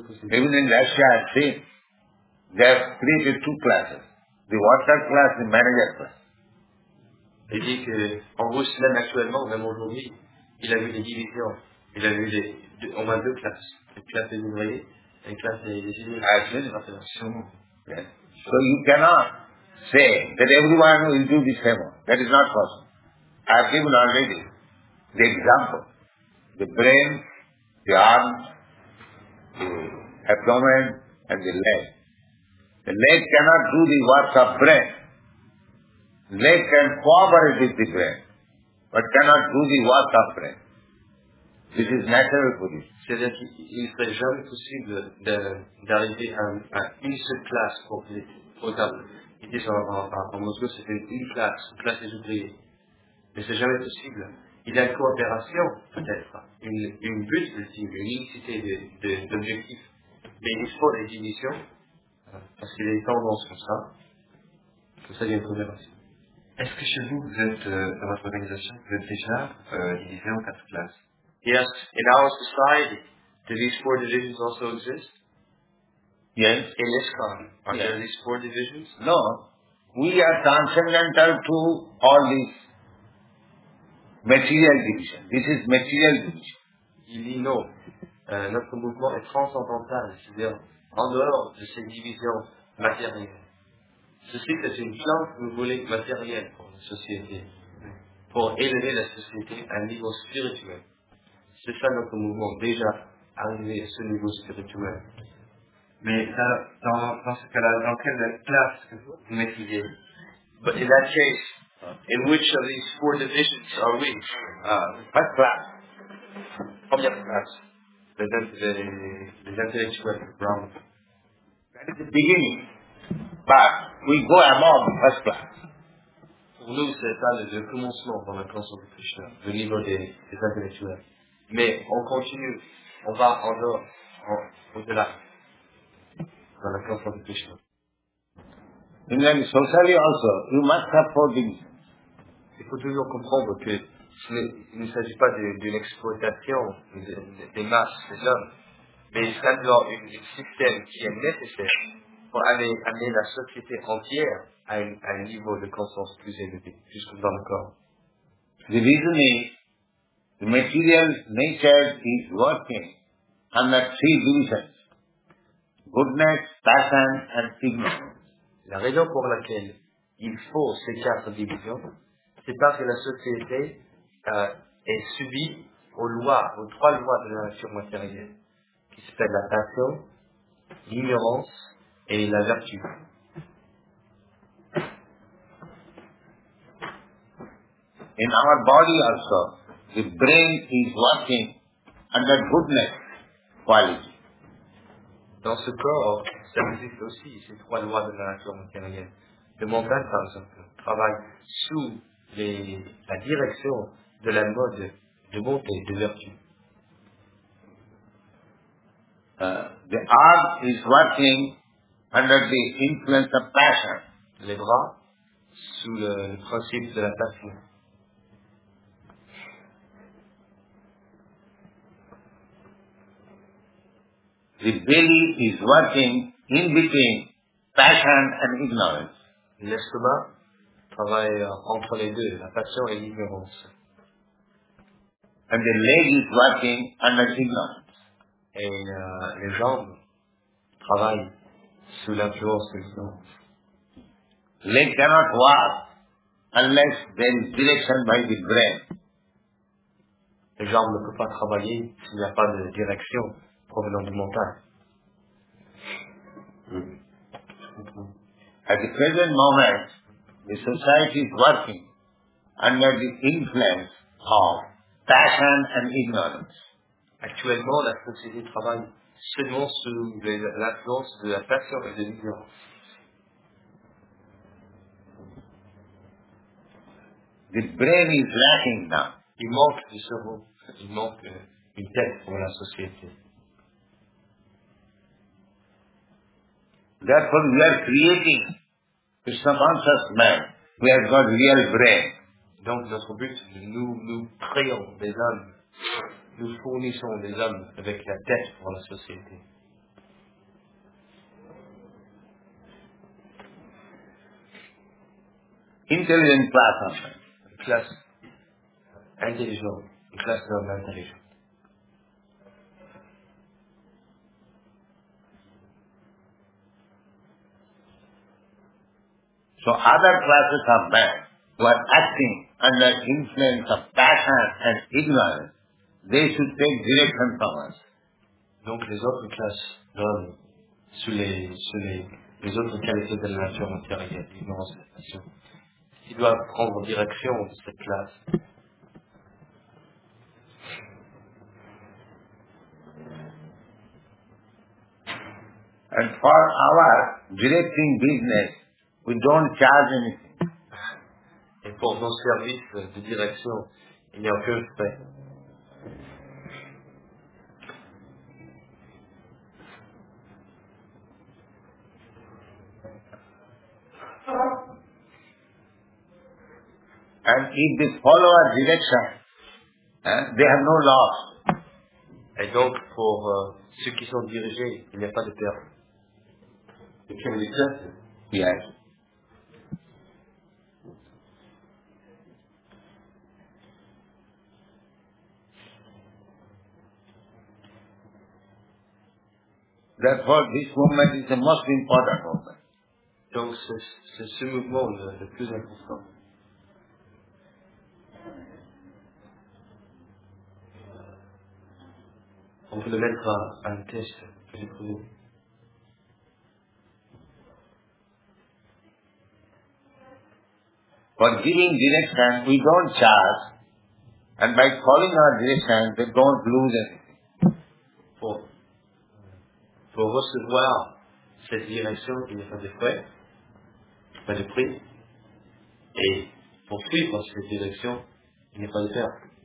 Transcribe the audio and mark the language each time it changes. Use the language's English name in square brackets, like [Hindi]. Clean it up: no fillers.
[French] Et vous n'êtes la chiasse. [English] They have created two classes. The worker class and the manager class. [French] Il dit qu'en Russie, même actuellement, même aujourd'hui, il a vu des divisions. Il a vu des, au moins deux classes. Une classe des ouvriers, une classe des idées. [English] So you cannot say that everyone will do the same one. That is not possible. I have given already the example. The brain, the arms, the abdomen, and the leg. The leg cannot do the work of brain. Leg can cooperate with the brain, but cannot do the work of brain. This is natural for this. [French] C'est-à-dire qu'il ne serait jamais possible d'arriver à une seule classe pour les potables. Il dit en Moscou, c'était une classe des ouvriers. Mais c'est jamais possible. Il y a une coopération, peut-être, une but ultime, une unicité d'objectifs. Mais il faut des divisions, parce qu'il y a des tendances comme ça. Comme ça, il y a une coopération. Est-ce que chez vous êtes, dans votre organisation, vous êtes déjà divisé en quatre classes? [English] Yes, in our society, do these four divisions also exist? Yes. In ISKCON, are there these four divisions? No. We are transcendental to all these material divisions. This is material division. [French] Il dit non. Notre mouvement est transcendantal, c'est-à-dire en dehors de ces divisions matérielles. Ceci, c'est une plante que vous voulez matérielle pour la société, pour élever la société à un niveau spirituel. C'est ça notre mouvement, déjà arrivé à ce niveau spirituel. Mais dans ce cas-là, dans quelle classe que vous mettriez? [English] But in that case, in which of these four divisions are we? What class? [French] Première class. Les intellectuels, wrong. [English] That is the beginning. But we go among first class. [French] Pour nous, c'est ça le commencement dans la classe de Krishna, le niveau des intellectuels. Mais on continue, on va en dehors, au-delà, dans la classe de Krishna. Et même [English] socially also, you must have four divisions. [French] Il faut toujours comprendre que il ne s'agit pas d'une exploitation des masses, des hommes, mais il s'agit d'avoir un système qui est nécessaire pour amener la société entière à un niveau de conscience plus élevé, jusque dans le corps. [English] The reason is, the material nature is working under three divisions. Goodness, passion, and ignorance. [French] La raison pour laquelle il faut ces quatre divisions, c'est parce que la société est subie aux trois lois de la nature matérielle, qui s'appellent la passion, l'ignorance et la vertu. [English] In our body also, the brain is working under goodness quality. [French] Dans ce corps, ça existe aussi ces trois lois de la nature matérielle. Le mental, par exemple, travaille sous la direction de la mode de bonté, de vertu. [English] The arm is working under the influence of passion. [French] Les bras, sous le principe de la passion. [English] The belly is working in between passion and ignorance. [French] L'estomac travaille entre les deux, la passion et l'ignorance. [English] And the leg is working under ignorance. [French] Et les jambes travaillent sous l'influence de l'ignorance. [English] Leg cannot walk unless there is direction by the brain. [French] Les jambes ne peuvent pas travailler s'il n'y a pas de direction provenant du mental. [English] At the present moment, the society is working under the influence of passion and ignorance. [French] Actuellement, la société travaille seulement sous l'influence de la passion et de l'ignorance. [English] The brain is lacking now. [French] Il manque du cerveau. Il manque une tête pour la société. [English] Therefore, we are creating the subconscious man who has got real brain. [French] Donc, notre but, nous créons des hommes. Nous fournissons des hommes avec la tête pour la société. [English] Intelligent class, [French] une classe intelligente, une classe d'hommes intelligents. [English] So other classes of men who are acting under influence of passion and ignorance, they should take direction from us. [French] Donc les autres classes d'hommes, sous les autres qualités de la nature matérielle, ignorance et passion, ils doivent prendre direction de cette classe. [English] And for our directing business, we don't charge anything. [French] Et pour nos services de direction, il n'y a aucun frais. [English] And if they follow our direction, they have no loss. Et donc, pour ceux qui sont dirigés, il n'y a pas de perte. [French] Et qui ont des pertes? [English] Yes. Therefore, this movement is the most important movement. [French] Donc, c'est ce mouvement le plus important. On peut le mettre à un test, je l'ai trouvé. [English] For giving direction, we don't charge. And by following our direction, they don't lose anything. [French] Pour recevoir cette direction, il n'y a pas de frais, pas de prix. Et pour suivre cette direction, il n'y a pas de perte.